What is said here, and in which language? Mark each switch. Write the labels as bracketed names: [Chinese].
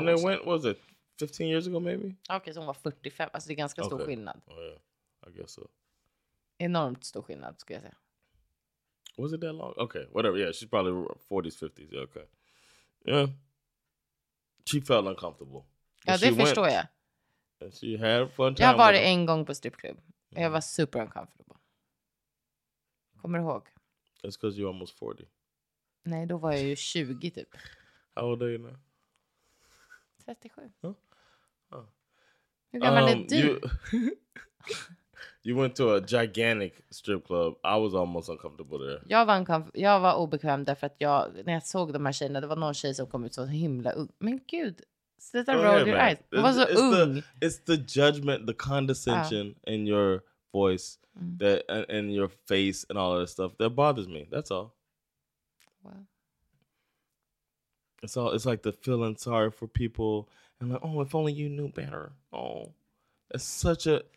[English] when they went, what was it 15 years ago, maybe? Okay, so [Swedish] hon var 45. Alltså, det är ganska stor skillnad. [English] Oh, yeah. I guess so. [Swedish] Enormt stor skillnad, skulle jag säga. [English] Was it that long? Okay, whatever. Yeah, she's probably 40s, 50s. Yeah, okay. Yeah. She felt uncomfortable. [Swedish] Ja, det förstår jag. [English] And she had a fun time. [Swedish] Jag var en gång på stripklubb. Mm. Jag var [English] super uncomfortable. [Swedish] Kommer du ihåg? [English] It's because you're almost 40. [Swedish] Nej, då var jag ju 20 typ. [English] How old are you now? 37. Huh? [Swedish] Hur gammal är du? [English] You went to a gigantic strip club. I was almost uncomfortable there. [Swedish] Jag var obekväm därför att jag när jag såg de här tjejerna, det var någon tjej som kom ut så himla ung. Men gud, sluta [English] roll your eyes. [Swedish] Hon var så ung. [English] It's the judgment, the condescension in your voice that in your face and all of that stuff that bothers me. That's all. Well. It's like the feeling sorry for people and like, oh, if only you knew better. Oh. It's such a